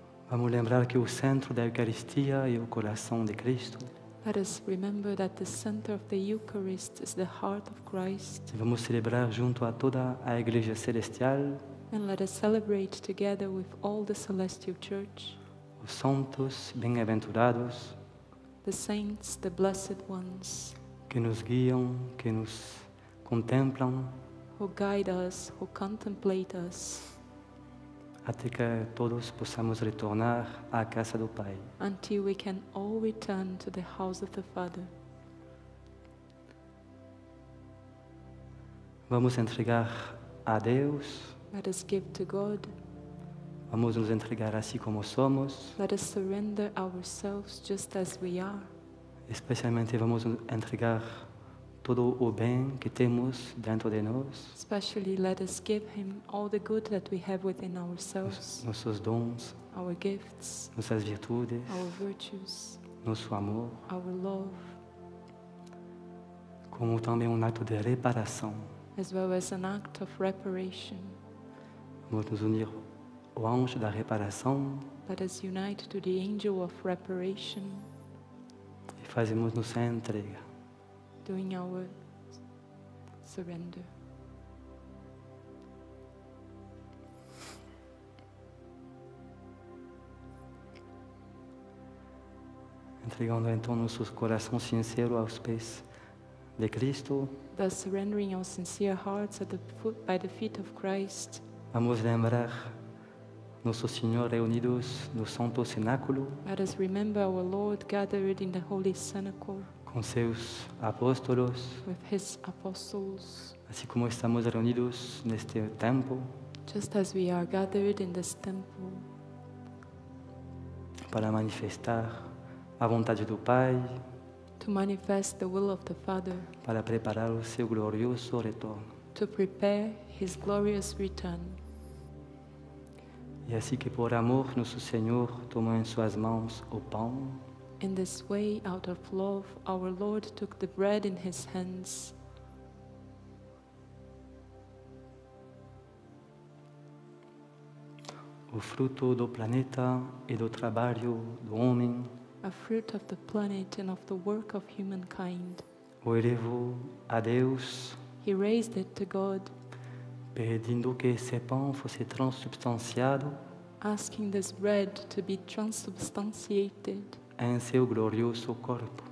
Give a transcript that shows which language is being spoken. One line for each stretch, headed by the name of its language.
Portuguese: Vamos lembrar que o centro da Eucaristia é o coração de Cristo.
English: Let us remember that the center of the Eucharist is the heart of Christ.
Portuguese: E vamos celebrar junto a toda a Igreja Celestial.
English: And let us celebrate together with all the celestial church.
Portuguese: Os santos bem-aventurados.
English: The saints, the blessed ones.
Portuguese: Que nos guiam, que nos contemplam.
English: Who guide us, who contemplate us.
Portuguese: Até que todos possamos retornar à casa do Pai.
English: Until we can all return to the house of the Father.
Portuguese: Vamos entregar a Deus.
English: Let us give to God.
Portuguese: Vamos nos entregar assim como somos.
English: Let us surrender ourselves just as we are.
Portuguese: Especialmente vamos entregar todo o bem que temos dentro de nós.
English: Especially let us give him all the good that we have within ourselves.
Portuguese: Nossos dons.
English: Our gifts.
Portuguese: Nossas virtudes.
English: Our virtues.
Portuguese: Nosso amor.
English: Our love.
Portuguese: Como também ato de reparação.
English: As well as an act of reparation.
Portuguese: Vamos nos unir ao anjo da reparação.
English: Let us unite to the angel of reparation.
Portuguese: E fazemos nossa entrega.
English: Doing our surrender.
Portuguese: Entregando então nosso coração sincero aos pés de Cristo.
English: Thus surrendering our sincere hearts at the foot, by the feet of Christ.
Portuguese: Vamos lembrar nosso Senhor reunidos no Santo Cenáculo.
English: Let us remember our Lord gathered in the Holy Cenacle.
Portuguese: Com seus apóstolos.
English: With his apostles.
Portuguese: Assim como estamos reunidos neste templo.
English: Just as we are gathered in this temple.
Portuguese: Para manifestar a vontade do Pai.
English: To manifest the will of the Father.
Portuguese: Para preparar o seu glorioso retorno.
English: To prepare his glorious return.
Portuguese: E assim que por amor nosso Senhor tomou em suas mãos o pão.
English: In this way, out of love, our Lord took the bread in his hands.
Portuguese: O fruto do planeta e do trabalho do homem.
English: A fruit of the planet and of the work of humankind.
Portuguese: O elevou a Deus.
English: He raised it to God,
Portuguese: pedindo que esse pão fosse transubstanciado,
English: asking this bread to be transubstantiated
Portuguese: em seu glorioso corpo,